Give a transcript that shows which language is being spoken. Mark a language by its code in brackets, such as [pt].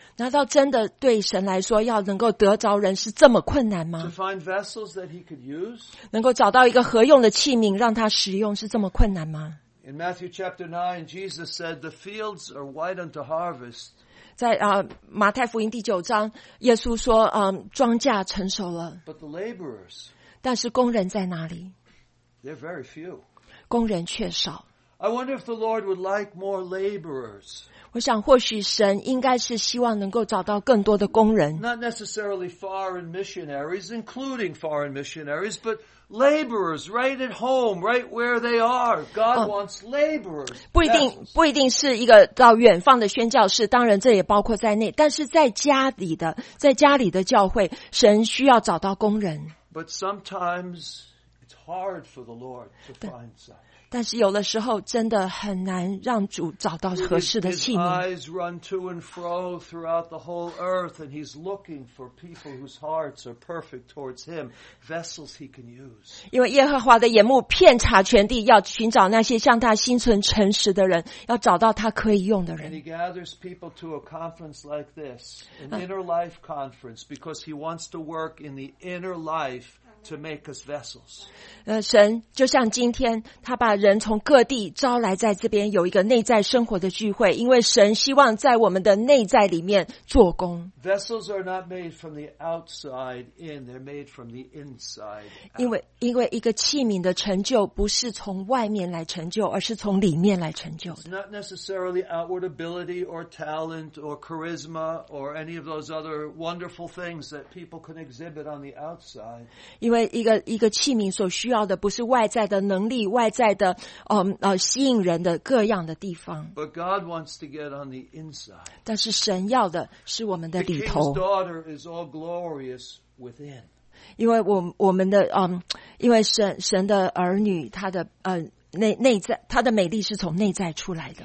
[zh] 难道真的对神来说，要能够得着人是这么困难吗？ [en] To find vessels that he could use? [zh] 能够找到一个合用的器皿，让他使用是这么困难吗？ [en] In Matthew chapter 9, Jesus said, the fields are white unto harvest. [zh] 在马太福音第九章，耶稣说庄稼成熟了。 [en] But the laborers, [zh] 但是工人在哪里？ [en] They're very few. [zh] 工人却少。 [en] I wonder if the Lord would like more laborers. [zh] 我想或许神应该是希望能够找到更多的工人。 [en] Not necessarily foreign missionaries, including foreign missionaries, but laborers right at home, right where they are. God wants laborers. [zh] 不一定是一个到远方的宣教士，当然这也包括在内，但是在家里的教会，神需要找到工人。 [en] But sometimes it's hard for the Lord to find some. [zh] 但是有的时候真的很难让主找到合适的器皿。 [en] His eyes run to and fro throughout the whole earth, and he's looking for people whose hearts are perfect towards him, vessels he can use. [zh] 因为耶和华的眼目遍察全地，要寻找那些向他心存诚实的人，要找到他可以用的人。 [en] And he gathers people to a conference like this, an inner life conference, because he wants to work in the inner life. To make us vessels. [zh] 神就像今天，他把人从各地招来在这边有一个内在生活的聚会，因为神希望在我们的内在里面做工。 [en] Vessels are not made from the outside in; they're made from the inside out. [zh] 因为一个器皿的成就不是从外面来成就，而是从里面来成就的。 [en] It's not necessarily outward ability or talent or charisma or any of those other wonderful things that people can exhibit on the outside. [zh] 因为一个器皿所需要的不是外在的能力，外在的吸引人的各样的地方。 [en] But God wants to get on the inside. [zh] 但是神要的是我们的里头。 [en] The king's daughter is all glorious within. [zh] 因为我们的因为神的儿女，他的内在，他的美丽是从内在出来的。